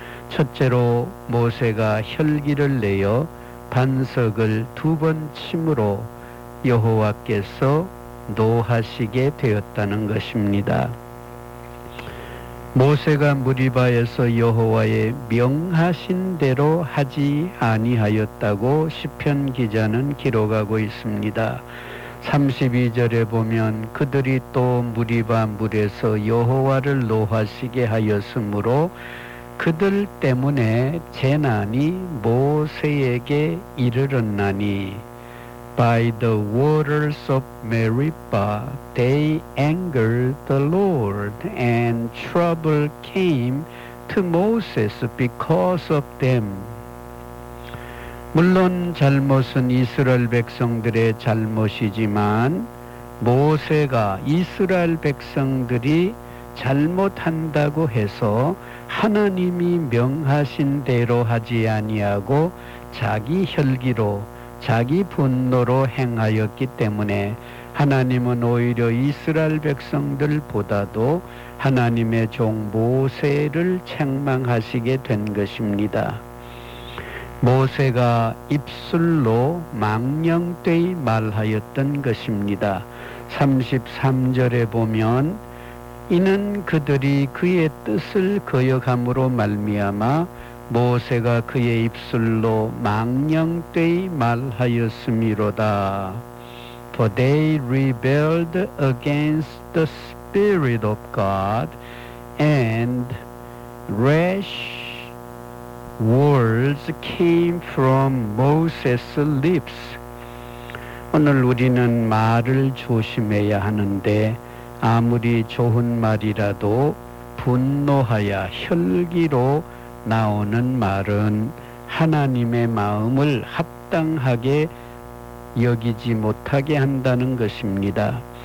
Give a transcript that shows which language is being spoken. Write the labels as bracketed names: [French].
[Korean] 첫째로 모세가 혈기를 내어 반석을 두 번 침으로 여호와께서 노하시게 되었다는 것입니다. 모세가 무리바에서 여호와의 명하신 대로 하지 아니하였다고 시편 기자는 기록하고 있습니다. 32절에 보면 그들이 또 무리바 물에서 여호와를 노하시게 하였으므로 그들 때문에 재난이 모세에게 이르렀나니 [English] By the waters of Meribah they angered the Lord and trouble came to Moses because of them. [Korean] 물론 잘못은 이스라엘 백성들의 잘못이지만 모세가 이스라엘 백성들이 잘못한다고 해서 하나님이 명하신 대로 하지 아니하고 자기 혈기로 자기 분노로 행하였기 때문에 하나님은 오히려 이스라엘 백성들보다도 하나님의 종 모세를 책망하시게 된 것입니다. 모세가 입술로 망령되이 말하였던 것입니다. 33절에 보면 이는 그들이 그의 뜻을 거역함으로 말미암아 모세가 그의 입술로 망령되이 말하였음이로다. [English] For they rebelled against the Spirit of God and rash words came from Moses' lips. [Korean] 오늘 우리는 말을 조심해야 하는데 아무리 좋은 말이라도 분노하여 혈기로 나오는 말은 하나님의 마음을 합당하게 여기지 못하게 한다는 것입니다.